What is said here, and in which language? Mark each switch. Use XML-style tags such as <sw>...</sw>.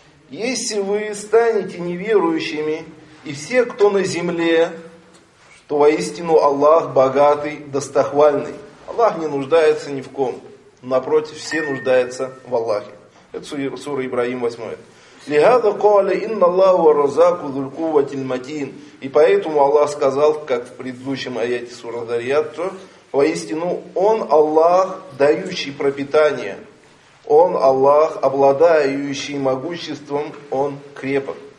<ru>Если вы станете неверующими, и все, кто на земле, то воистину Аллах богатый, достохвальный. Аллах не нуждается ни в ком. Напротив, все нуждаются в Аллахе. Это сура Ибраим 8.</ru> <ar>لهذا قال إن الله ورزاق ذو القوة المتين.</ar> <ru>И поэтому Аллах сказал, как в предыдущем аяте сура Дарьят, что воистину Он Аллах, дающий пропитание. Он Аллах, обладающий могуществом, Он крепок.</ru>